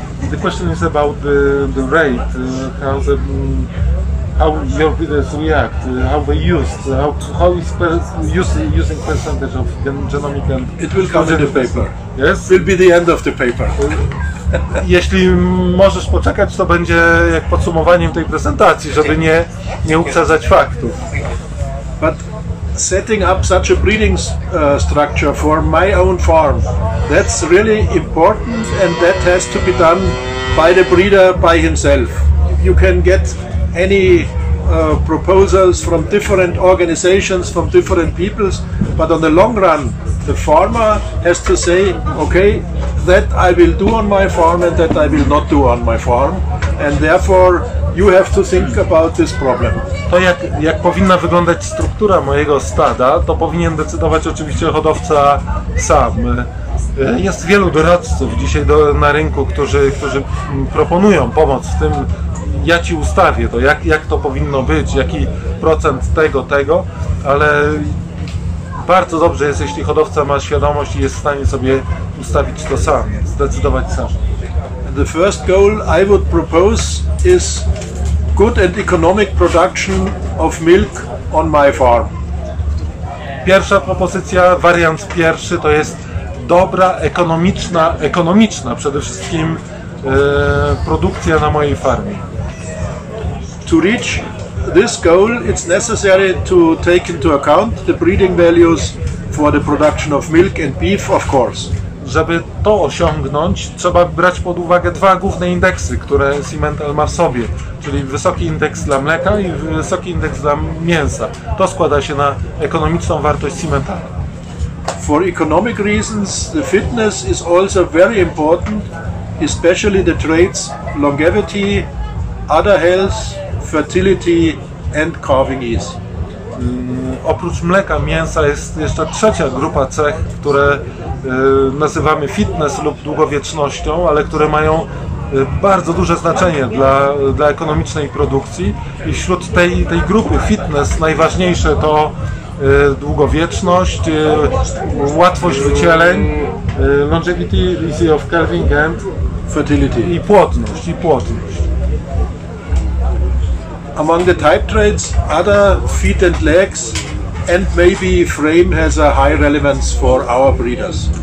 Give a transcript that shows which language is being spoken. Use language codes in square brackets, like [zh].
[en] The question is about the rate, how the how your bidders react, how they used, how is using percentage of genomic and... It will come in the paper. Yes? Will be the end of the paper. [pl] Jeśli możesz poczekać, to będzie jak podsumowaniem tej prezentacji, żeby nie uprzedzać faktów. [en] But setting up such a breeding structure for my own farm, that's really important and that has to be done by the breeder by himself. You can get any proposals from different organizations, from different peoples, but on the long run, the farmer has to say, okay, that I will do on my farm and that I will not do on my farm, and therefore you have to think about this problem. [pl] To jak powinna wyglądać struktura mojego stada, to powinien decydować oczywiście hodowca sam. Jest wielu doradców dzisiaj na rynku, którzy proponują pomoc w tym, ja ci ustawię to, jak to powinno być, jaki procent tego, ale bardzo dobrze jest, jeśli hodowca ma świadomość i jest w stanie sobie ustawić to sam, zdecydować sam. [en] The first goal I would propose is good and economic production of milk on my farm. [pl] Pierwsza propozycja, wariant pierwszy, to jest dobra, ekonomiczna przede wszystkim produkcja na mojej farmie. [en] To reach this goal, it's necessary to take into account the breeding values for the production of milk and beef, of course. [pl] Żeby to osiągnąć, trzeba brać pod uwagę dwa główne indeksy, które Simental ma w sobie, czyli wysoki indeks dla mleka i wysoki indeks dla mięsa. To składa się na ekonomiczną wartość Simentala. [en] For economic reasons, the fitness is also very important, especially the traits longevity, udder health, fertility and calving ease. [pl] Oprócz mleka, mięsa jest jeszcze trzecia grupa cech, które nazywamy fitness lub długowiecznością, ale które mają bardzo duże znaczenie dla ekonomicznej produkcji. I wśród tej grupy fitness najważniejsze to długowieczność, łatwość wycieleń, [en] longevity, ease of calving and fertility. [pl] I płodność. [en] Among the type traits, other feet and legs, and maybe frame has a high relevance for our breeders.